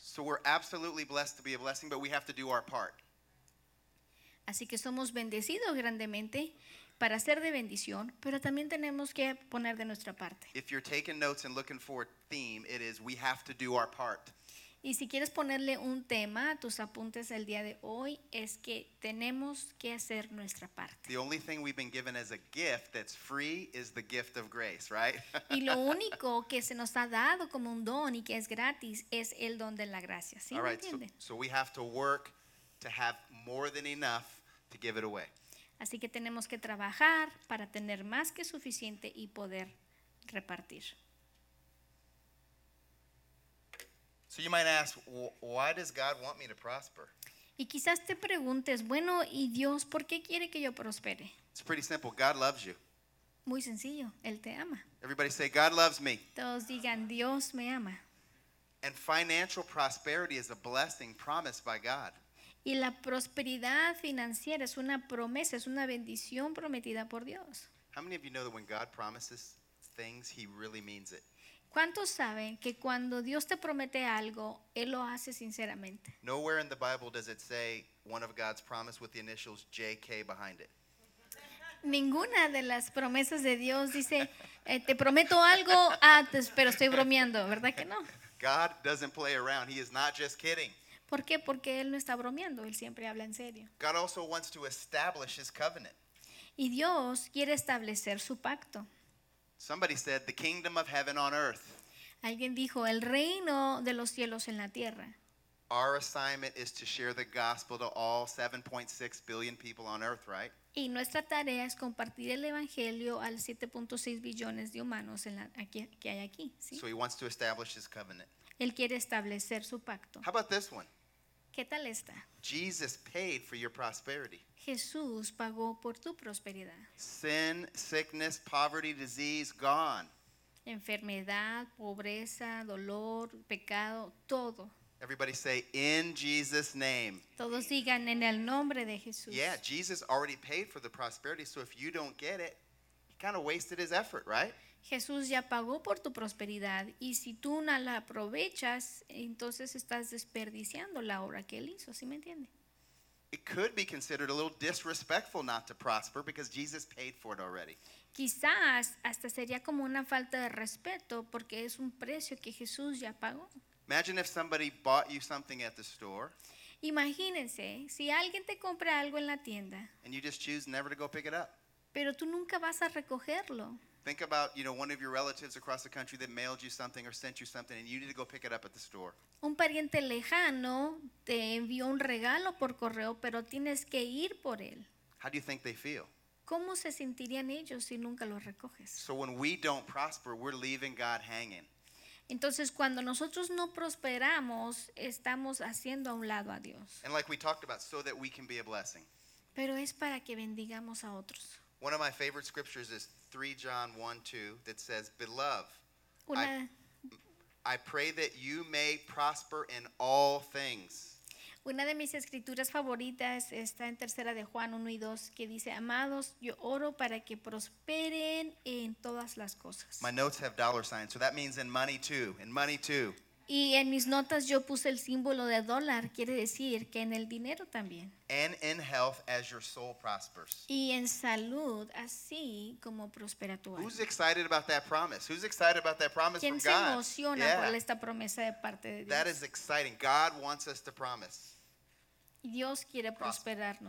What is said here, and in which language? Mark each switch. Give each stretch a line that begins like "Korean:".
English: So we're absolutely blessed to be a blessing, but we have to do our part.
Spanish: Así que somos bendecidos grandemente para ser de bendición, pero también tenemos que poner de nuestra parte.
English: If you're taking notes and looking for a theme, it is we have to do our part.
Spanish: Y si quieres ponerle un tema a tus apuntes el día de hoy, es que tenemos que hacer nuestra parte.
English: The only thing we've been given as a gift that's free is the gift of grace, right?
Spanish: Y lo único que se nos ha dado como un don y que es gratis es el don de la gracia. ¿Sí?
English: All right, so we have to work to have more than enough to give it away.
Spanish: Así que tenemos que trabajar para tener más que suficiente y poder repartir.
English: So you might ask, why does God want me to prosper?
Spanish: Y quizás te preguntes, bueno, ¿y Dios por qué quiere que yo prospere?
English: It's pretty simple. God loves you.
Spanish: Muy sencillo. Él te ama.
English: Everybody say, God loves me.
Spanish: Todos digan, Dios me ama.
English: And financial prosperity is a blessing promised by God.
Spanish: Y la prosperidad financiera es una promesa, es una bendición prometida por Dios.
English: How many of you know that when God promises things, he really means it?
Spanish: ¿Cuántos saben que cuando Dios te promete algo, Él lo hace sinceramente?
English: Nowhere in the Bible does it say one of God's promise with the initials JK behind it.
Spanish: Ninguna de las promesas de Dios dice, te prometo algo, pero estoy bromeando, ¿verdad que no?
English: God doesn't play around, he is not just kidding.
Spanish: ¿Por qué? Porque Él no está bromeando, Él siempre habla en serio.
English: God also wants to establish his covenant.
Spanish: Y Dios quiere establecer su pacto.
English: Somebody said the kingdom of heaven on earth.
Spanish: Alguien dijo el reino de los cielos en la tierra.
English: Our assignment is to share the gospel to all 7.6 billion people on earth, right?
Spanish: Y nuestra tarea es compartir el evangelio a 7.6 billones de humanos en la aquí, que hay aquí, ¿sí?
English: So he wants to establish his covenant.
Spanish: Él quiere establecer su pacto.
English: How about this one?
Spanish: ¿Qué tal esta?
English: Jesus paid for your prosperity.
Spanish: Jesús pagó por tu prosperidad.
English: Sin, sickness, poverty, disease, gone.
Spanish: Enfermedad, pobreza, dolor, pecado, todo.
English: Everybody say, in Jesus' name.
Spanish: Todos digan, en el nombre de Jesús.
English: Yeah, Jesus already paid for the prosperity, so if you don't get it, he kind of wasted his effort, right?
Spanish: Jesús ya pagó por tu prosperidad y si tú no la aprovechas, entonces estás desperdiciando la obra que Él hizo, ¿sí me entiende?
English: It could be considered a little disrespectful not to prosper because Jesus paid for it already.
Spanish: Quizás hasta sería como una falta de respeto porque es un precio que Jesús ya pagó.
English: Imagine if somebody bought you something at the store.
Spanish: Imagínense si alguien te compra algo en la tienda.
English: And you just choose never to go pick it up.
Spanish: Pero tú nunca vas a recogerlo.
English: Think about, you know, one of your relatives across the country that mailed you something or sent you something and you need to go pick it up at the store.
Spanish: Un pariente lejano te envió un regalo por correo, pero tienes que ir por él.
English: How do you think they feel?
Spanish: ¿Cómo se sentirían ellos si nunca lo recoges?
English: So when we don't prosper, we're leaving God hanging.
Spanish: Entonces, cuando nosotros no prosperamos, estamos haciendo a un lado a Dios.
English: And like we talked about, so that we can be a blessing.
Spanish: Pero es para que bendigamos a otros.
English: One of my favorite scriptures is 3 John 1:2 that says, Beloved, I pray that you may prosper in all things.
Spanish: Una de mis escrituras favoritas está en tercera de Juan 1:2 que dice, Amados, yo oro para que prosperen en todas las cosas.
English: My notes have dollar signs, so that means in money too, in money too.
Spanish: Y en mis notas yo puse el símbolo de dólar, quiere decir que en el dinero también.
English: And in health as your soul prospers.
Spanish: Y en salud, así como prospera tu alma.
English: Who's excited about that promise? Who's excited about that promise from God?
Spanish: ¿Quién se emociona por esta promesa de parte de Dios?
English: That is exciting. God wants us to promise.
Spanish: Dios quiere prosperarnos.